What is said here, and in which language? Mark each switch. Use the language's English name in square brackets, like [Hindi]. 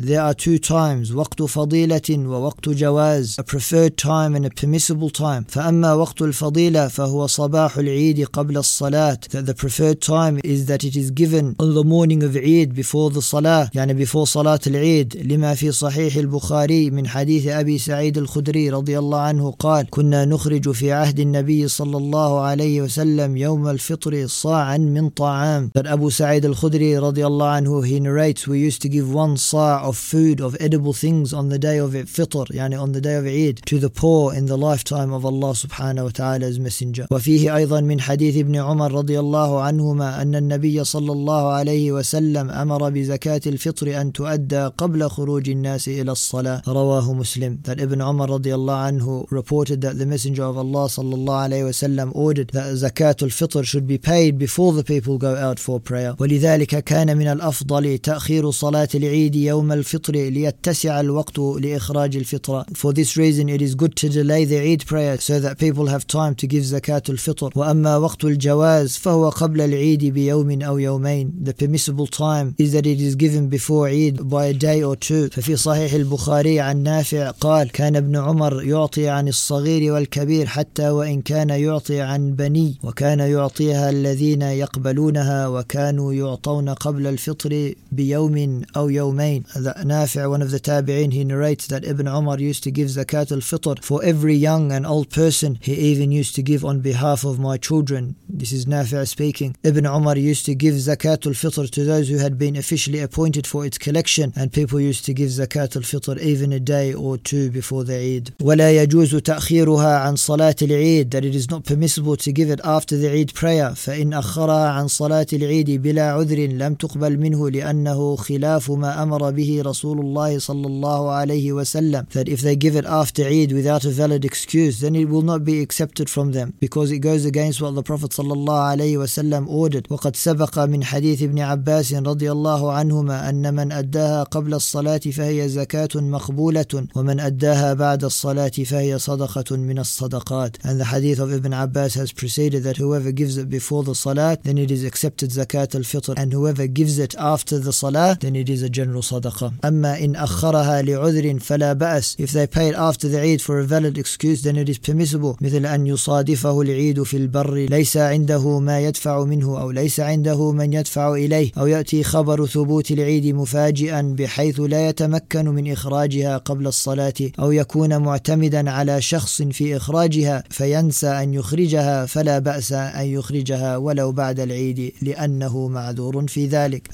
[English] There are two times, [Arabic] وَقْتُ فَضِيلَةٍ وَوَقْتُ جَوَازٍ, [English] a preferred time and a permissible time. [Arabic] فَأَمَّا وَقْتُ الْفَضِيلَةِ فَهُوَ صَبَاحُ الْعِيدِ قَبْلَ الصَّلَاةِ. [English] That the preferred time is that it is given on the morning of Eid before the Salah, يعني before Salat al-Eid. [Arabic] لِمَا فِي صَحِيحِ الْبُخَارِي مِنْ حَدِيثِ أَبِي سَعِيدِ الْخُدْرِي رضي الله عنه قال كنا نخرج في عهد النبي صلى الله عليه وسلم يوم الفطر صاعا من طعام. [English] That Abu Sa'id al-Khudri [Arabic] رضي الله عنه, [English] he narrates, we used to give one صاع of food, of edible things, on the day of Fitr, يعني on the day of Eid, to the poor in the lifetime of Allah subhanahu wa ta'ala's messenger. [Arabic] وفيه أيضا من حديث ابن عمر رضي الله عنهما أن النبي صلى الله عليه وسلم أمر بزكاة الفطر أن تؤدى قبل خروج الناس إلى الصلاة رواه مسلم. [English] That Ibn Umar [Arabic] رضي الله عنه [English] reported that the messenger of Allah [Arabic] صلى الله عليه وسلم [English] ordered that زكاة الفطر should be paid before the people go out for prayer. [Arabic] ولذلك كان من الأفضل تأخير صلاة العيد يوم الفطر ليتسع الوقت لإخراج الفطرة. [English] For this reason it is good to delay the Eid prayer so that people have time to give زكاة الفطر. [Arabic] وأما وقت الجواز فهو قبل العيد بيوم أو يومين. [English] The permissible time is that it is given before Eid by a day or two. [Arabic] ففي صحيح البخاري عن نافع قال كان ابن عمر يعطي عن الصغير والكبير حتى وإن كان يعطي عن بني وكان يعطيها الذين يقبلونها وكانوا يعطون قبل الفطر بيوم أو يومين. [English] نافع, one of the tabi'in, he narrates that Ibn Umar used to give zakat al-fitr for every young and old person. He even used to give on behalf of my children. This is Nafi speaking. Ibn Umar used to give zakat al-fitr to those who had been officially appointed for its collection, and people used to give zakat al-fitr even a day or two before the Eid. [Arabic] ولا يجوز تأخيرها عن صلاة العيد. [English] That it is not permissible to give it after the Eid prayer. [Arabic] فإن أخرها عن صلاة العيد بلا عذر لم تقبل منه لأنه خلاف ما أمر به رسول الله صلى الله عليه وسلم. [English] That if they give it after Eid without a valid excuse, then it will not be accepted from them because it goes against what the Prophet [Arabic] صلى الله عليه وسلم [English] ordered. [Arabic] وقد سبق من حديث ابن عباس رضي الله عنهما أن من أداها قبل الصلاة فهي زكاة مقبولة ومن أداها بعد الصلاة فهي صدقة من الصدقات. [English] And the hadith of Ibn Abbas has preceded that whoever gives it before the Salat, then it is accepted zakat al-fitr, and whoever gives it after the Salat, then it is a general sadaqah. [Arabic] أما إن أخرها لعذر فلا بأس. [English] If they pay it after the Eid for a valid excuse, then it is permissible. [Arabic] مثل أن يصادفه العيد في البر ليس عنده ما يدفع منه أو ليس عنده من يدفع إليه أو يأتي خبر ثبوت العيد مفاجئا بحيث لا يتمكن من إخراجها قبل الصلاة أو يكون معتمدا على شخص في إخراجها فينسى أن يخرجها فلا بأس أن يخرجها ولو بعد العيد لأنه معذور في ذلك.